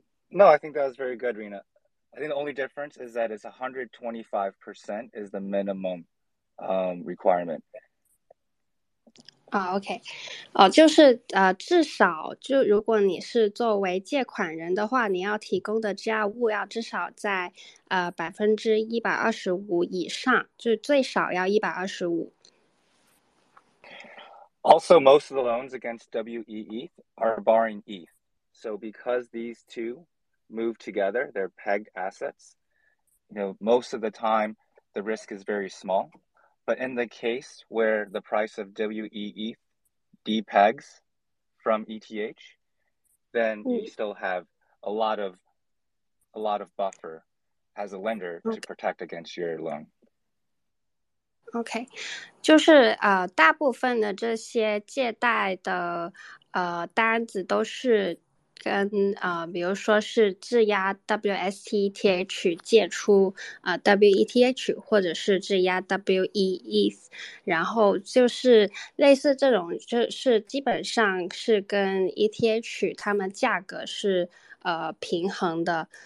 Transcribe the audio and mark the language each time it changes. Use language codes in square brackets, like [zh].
[en] No, I think that was very good, Rina. I think the only difference is that it's 125% is the minimum requirement. [zh] OK，就是至少就如果你是作为借款人的话，你要提供的质押物要至少在125%以上，就最少要125%。 [en] Also, most of the loans against WEETH are borrowing ETH. So because these two move together, they're pegged assets. Most of the time the risk is very small, but in the case where the price of WEETH depegs from ETH, then you still have a lot of buffer as a lender to protect against your loan. [zh] OK，就是大部分的这些借贷的单子都是跟比如说是质押 WSTTH 借出WETH 或者是质押 WEETH， 然后就是类似这种，就是基本上是跟 ETH 它们价格是平衡的。